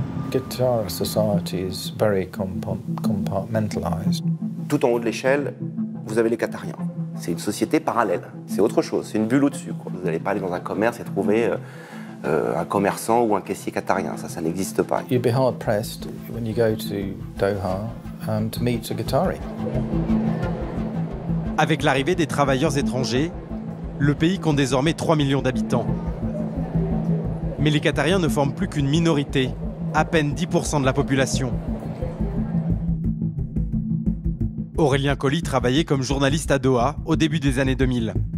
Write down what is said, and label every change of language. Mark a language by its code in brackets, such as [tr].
[en] Guitar society is very compartmentalized. [fr] Tout en haut de l'échelle, vous avez les Qatariens. C'est une société parallèle. C'est autre chose. C'est une bulle au-dessus. Quoi. Vous n'allez pas aller dans un commerce et trouver un commerçant ou un caissier qatarien. Ça n'existe pas. [en] You'd be hard pressed when you go to Doha and to meet a Qatari. [fr] Avec l'arrivée des travailleurs étrangers, le pays compte désormais 3 millions d'habitants. Mais les Qatariens ne forment plus qu'une minorité, à peine 10% de la population. Aurélien Colli travaillait comme journaliste à Doha au début des années 2000.